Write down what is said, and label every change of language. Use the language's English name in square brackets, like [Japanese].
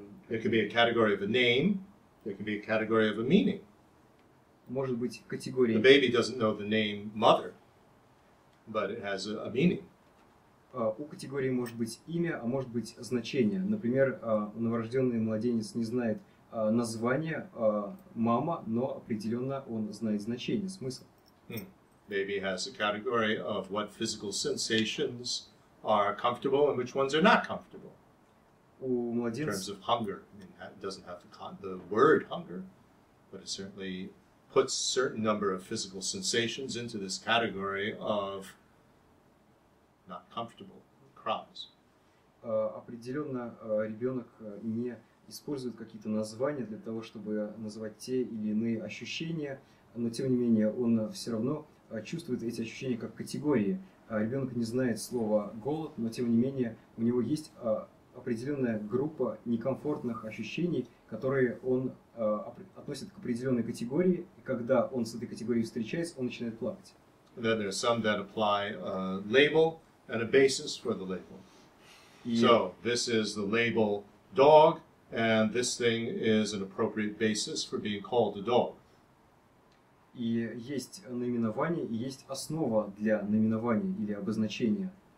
[English] It could be a category of a name. It could be a category of a meaning. [Russian] Может быть, категория. [English] The baby doesn't know the name mother, but it has a meaning. [Russian] У категории может быть имя, а может быть значение. Например, новорожденный младенец не знает название мама, но определенно он знает значение, смысл. [English] Baby has a category of what physical sensations are comfortable and which ones are not comfortable. In terms of hunger, I mean, it doesn't have the word hunger, but it certainly puts a certain number of physical sensations into this category of not comfortable, cries. [Russian] Определенно, ребенок не использует какие-то названия для того, чтобы назвать те или иные ощущения, но тем не менее он все равно чувствует эти ощущения как категории. Ребенок не знает слова голод, но тем не менее у него есть определенная группа некомфортных ощущений, которые он относит к определенной категории, и когда он с этой категорией встречается, он начинает плакать. [English] Then there are some that apply a label and a basis for the label. So this is the label dog, and this thing is an appropriate basis for being called a dog. [Russian] И есть наименование, и есть основа для наименования или обозначения.